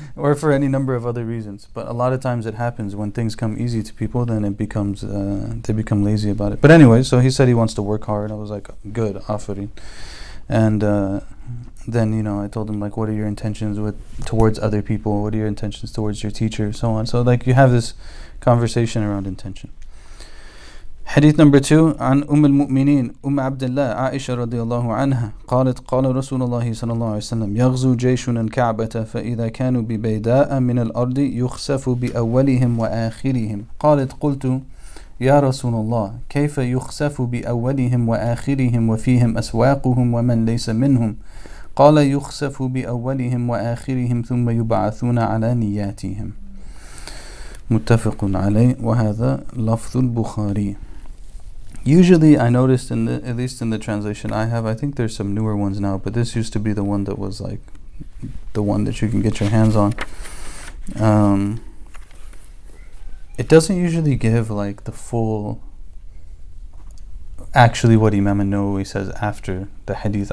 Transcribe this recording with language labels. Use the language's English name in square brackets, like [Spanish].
[English] Or for any number of other reasons. But a lot of times it happens when things come easy to people, then it becomes they become lazy about it. But anyway, so he said he wants to work hard. I was like, good, offering. And then, you know, I told him, like, what are your intentions towards other people? What are your intentions towards your teacher? So on. So, like, you have this conversation around intention. Hadith number 2, [Arabic] عن أم المؤمنين أم عبد الله عائشة رضي الله عنها قالت قال رسول الله صلى الله عليه وسلم يغزو جيش الكعبة فإذا كانوا ببيداء من الأرض يخسف بأولهم وآخرهم قالت قلت يا رسول الله كيف يخسف بأولهم وآخرهم وفيهم أسواقهم ومن ليس منهم قال يخسف بأولهم وآخرهم ثم يبعثون على نياتهم متفق عليه وهذا لفظ البخاري. [English] Usually, I noticed in the, at least in the translation I have, I think there's some newer ones now, but this used to be the one that was like the one that you can get your hands on. It doesn't usually give like the full, actually what Imam an-Nawawi says after the hadith.